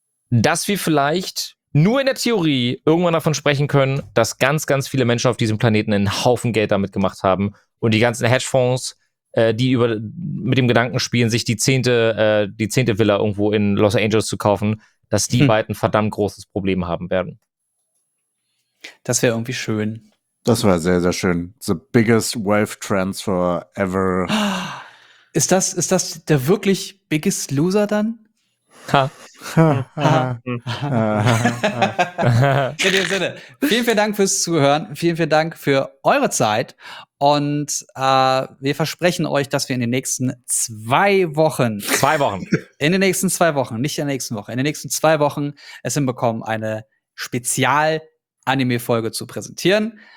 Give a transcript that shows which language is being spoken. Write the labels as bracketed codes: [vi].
[de] dass wir vielleicht nur in der Theorie irgendwann davon sprechen können, dass ganz, ganz viele Menschen auf diesem Planeten einen Haufen Geld damit gemacht haben und die ganzen Hedgefonds, die mit dem Gedanken spielen, sich die zehnte Villa irgendwo in Los Angeles zu kaufen, dass die beiden verdammt großes Problem haben werden. Das wäre irgendwie schön. Das wäre sehr, sehr schön. [en] The biggest wealth transfer ever. [de] Ist das der wirklich [en] biggest loser [de] dann? Ha. In dem Sinne, vielen Dank fürs Zuhören. Vielen Dank für eure Zeit. Und wir versprechen euch, dass wir in den nächsten zwei Wochen es hinbekommen, eine Spezial-Anime-Folge zu präsentieren.